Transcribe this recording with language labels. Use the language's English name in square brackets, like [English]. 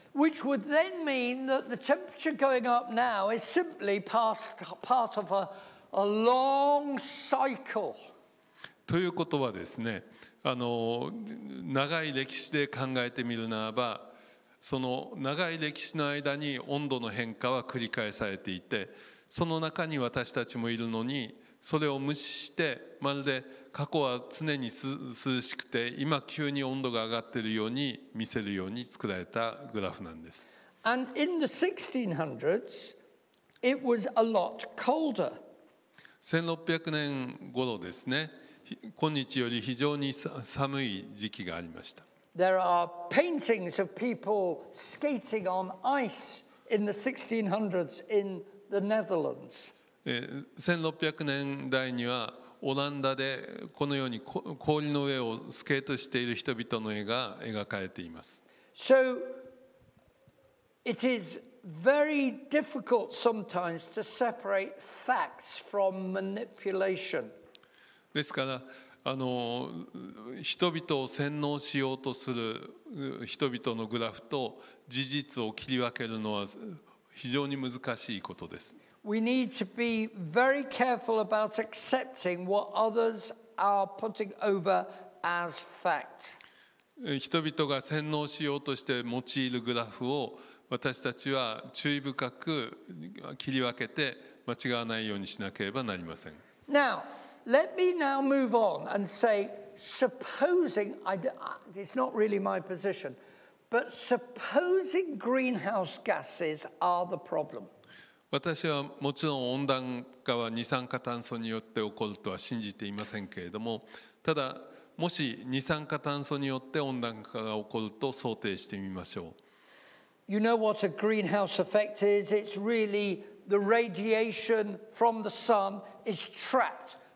[English] Which would then mean that the temperature going up now is simply part of a long cycle. [Japanese] ということはですね、長い歴史で考えてみるならば、その長い歴史の間に温度の変化は繰り返されていて、その中に私たちもいるのに、それを無視して、まるで過去は常に涼しくて、今急に温度が上がっているように見せるように作られたグラフなんです。 [English] And in the 1600s, it was a lot colder. [Japanese] 1600年頃ですね、今日より非常に寒い時期がありました。 [English] There are paintings of people skating on ice in the 1600s in the Netherlands. [Japanese] 1600年代にはオランダでこのように氷の上をスケートしている人々の絵が描かれています。 [English] So it is very difficult sometimes to separate facts from manipulation. [Japanese] ですから人々を洗脳しようとする人々のグラフと事実を切り分けるのは非常に難しいことです。 [English] We need to be very careful about accepting what others are putting over as fact. [Japanese] 人々が洗脳しようとして用いるグラフを私たちは注意深く切り分けて間違わないようにしなければなりません。 [English] NowLet me now move on and say, supposing, it's not really my position, but supposing greenhouse gases are the problem. [Japanese] 私はもちろん温暖化は二酸化炭素によって起こるとは信じていませんけれども、ただもし二酸化炭素によって温暖化が起こると想定してみましょう。 [English] You know what a greenhouse effect is? It's really the radiation from the sun is trapped.